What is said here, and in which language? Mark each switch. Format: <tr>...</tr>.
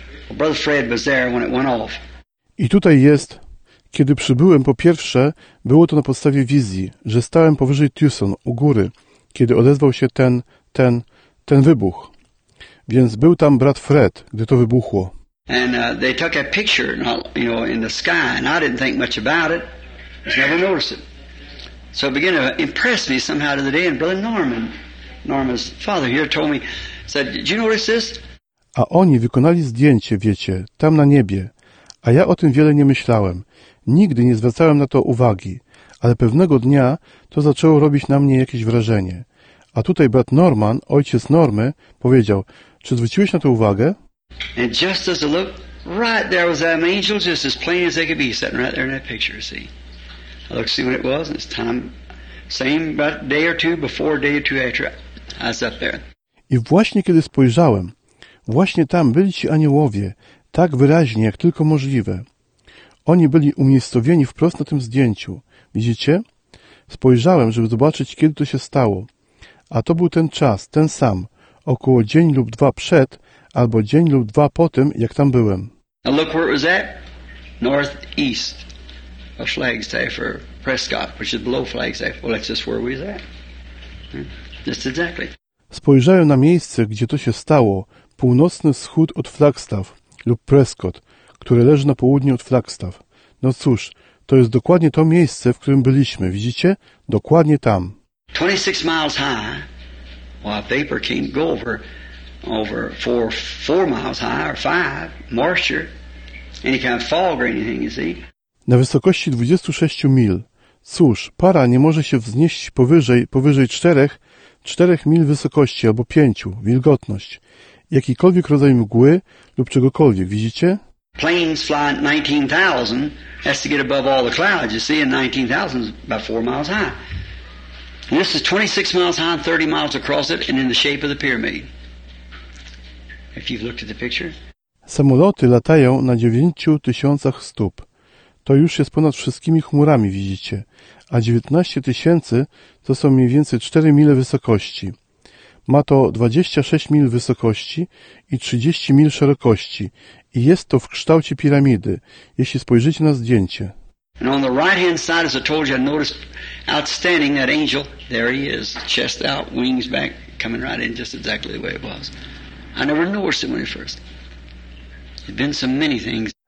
<en>Brother Fred was there when it went off.</en> <pl>I tutaj jest, kiedy przybyłem, po pierwsze, było to na podstawie wizji, że stałem powyżej Tucson, u góry, kiedy odezwał się ten wybuch. Więc był tam brat Fred, gdy to wybuchło.</pl> <en>And they took a picture, you know, in the sky, and I didn't think much about it. I never noticed it. So it began to impress me somehow to the day, and Brother Norman's father here told me, said, did you notice this?</en> <pl>A oni wykonali zdjęcie, wiecie, tam na niebie, a ja o tym wiele nie myślałem. Nigdy nie zwracałem na to uwagi, ale pewnego dnia to zaczęło robić na mnie jakieś wrażenie. A tutaj brat Norman, ojciec Normy, powiedział, czy zwróciłeś na to uwagę?</pl> <en>And just as I looked, right there was that angel, just as plain as they could be, sitting right there in that picture, see. I looked to see what it was, and it's time, same about day or two before, day or two after, I was up there.</en> <pl>I właśnie kiedy spojrzałem, właśnie tam byli ci aniołowie, tak wyraźnie, jak tylko możliwe. Oni byli umiejscowieni wprost na tym zdjęciu. Widzicie? Spojrzałem, żeby zobaczyć, kiedy to się stało. A to był ten czas, ten sam, około dzień lub dwa przed, albo dzień lub dwa po tym, jak tam byłem.</pl> <en>Now look where it was at. Northeast of Flagstaff or Prescott, which is below Flagstaff. Well, that's just where we was at. Just exactly.</en> <pl>Spojrzałem na miejsce, gdzie to się stało, północny wschód od Flagstaff lub Prescott, które leży na południe od Flagstaff. No cóż, to jest dokładnie to miejsce, w którym byliśmy. Widzicie? Dokładnie tam.</pl> <en>26 miles high, while vapor can go over 4 miles high or 5, moisture, any kind of fog or anything, you see.</en> <pl>Na wysokości 26 mil. Cóż, para nie może się wznieść powyżej 4 mil wysokości albo 5, wilgotność. Jakikolwiek rodzaj mgły lub czegokolwiek, widzicie?</pl> <en>Planes fly 19,000, has to get above all the clouds, you see, and 19,000 is about 4 miles high. And this is 26 miles high and 30 miles across it and in the shape of the pyramid. If you've looked at the picture.</en> <pl>Samoloty latają na 9,000 stóp. To już jest ponad wszystkimi chmurami, widzicie. A 19,000 to są mniej więcej 4 mile wysokości. Ma to 26 mil wysokości i 30 mil szerokości. I jest to w kształcie piramidy, jeśli spojrzycie na zdjęcie.</pl> <en>And on the right hand side, as I told you, I noticed outstanding that angel. There he is, chest out, wings back, coming right in just exactly the way it was. I never noticed him when he first. There's been so many things.</en>